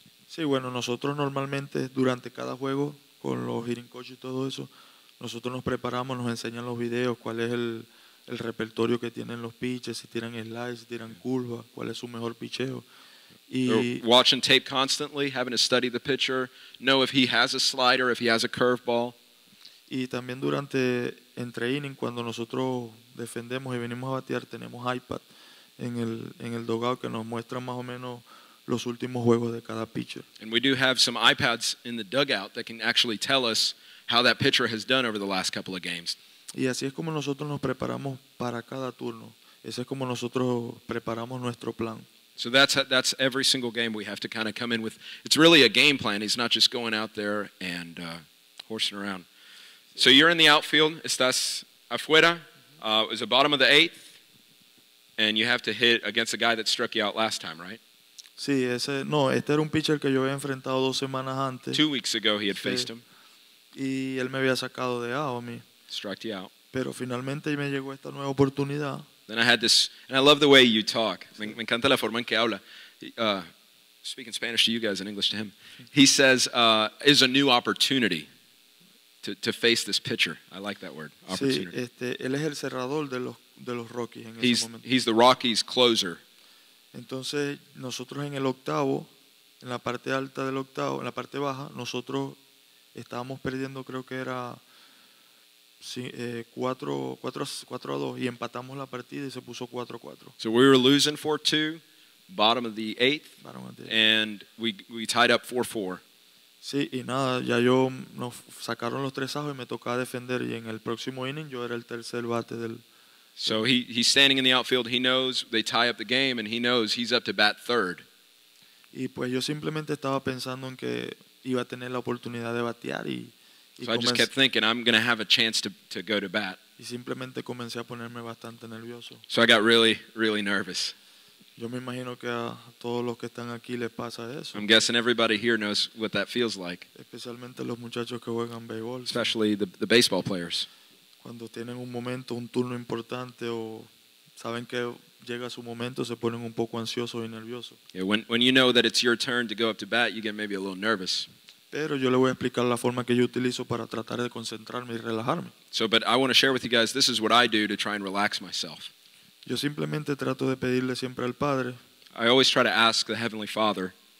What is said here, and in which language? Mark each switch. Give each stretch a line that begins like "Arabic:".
Spanish: Sí, bueno, nosotros normalmente durante cada juego con los hitting coaches y todo eso, nosotros nos preparamos, nos enseñan los videos, cuál es el repertorio que tienen los pitches, si tiran slides, si tiran curvas, cuál es su mejor picheo.
English: They're watching tape constantly, having to study the pitcher, know if he has a slider, if he has a curveball.
Spanish: Y también durante entre inning, cuando nosotros defendemos y venimos a batear, tenemos iPad en el dugout que nos muestra más o menos los últimos juegos de cada pitcher.
English: And we do have some iPads in the dugout that can actually tell us how that pitcher has done over the last couple of games.
Spanish: Y así es como nosotros nos preparamos para cada turno. Ese es como nosotros preparamos nuestro plan.
English: So that's every single game we have to kind of come in with. It's really a game plan. He's not just going out there and horsing around. So you're in the outfield.
Spanish: Estás afuera.
English: It's the bottom of the eighth. And you have to hit against a guy that struck you out last time, right?
Spanish: Sí, ese, no, este era un pitcher que yo había enfrentado 2 semanas antes.
English: 2 weeks ago he had faced him.
Spanish: Y él me había sacado de out a mí.
English: Struck you out.
Spanish: Pero finalmente me llegó esta nueva oportunidad.
English: Then I had this, and I love the way you talk.
Spanish: Me encanta la forma en que habla.
English: Speaking Spanish to you guys and English to him. He says, is a new opportunity to face this pitcher. I like that word, opportunity.
Spanish: Sí, él es el cerrador de los Rockies en ese momento.
English: He's the Rockies' closer.
Spanish: Entonces, nosotros en el octavo, en la parte alta del octavo, en la parte baja, nosotros estábamos perdiendo, creo que era 4-2 y empatamos la partida y se puso 4-4.
English: So we were losing 4-2, bottom of the 8th, and we tied up 4-4.
Spanish: Sí, y nada, ya yo nos sacaron los tres ajos y me tocaba defender y en el próximo inning yo era el tercer bate del.
English: So he's standing in the outfield, he knows they tie up the game and he knows he's up to bat third.
Spanish: Y pues yo simplemente estaba pensando en que iba a tener la oportunidad de batear y
English: so I just kept thinking I'm going to have a chance to go to bat.
Spanish: Y simplemente comencé a ponerme bastante nervioso.
English: So I got really, really nervous.
Spanish: Yo me imagino que a todos los que están aquí les pasa eso.
English: I'm guessing everybody here knows what that feels like.
Spanish: Especialmente los muchachos que juegan béisbol.
English: Especially the baseball players.
Spanish: Cuando tienen un momento, un turno importante o saben que llega su momento, se ponen un poco ansiosos y nerviosos.
English: Yeah, when you know that it's your turn to go up to bat, you get maybe a little nervous.
Spanish: Pero yo le voy a explicar la forma que yo utilizo para tratar de concentrarme y relajarme.
English: So, but I want to share with you guys, this is what I do to try and relax myself.
Spanish: Yo simplemente trato de pedirle siempre al Padre.
English: I always try to ask the Heavenly Father.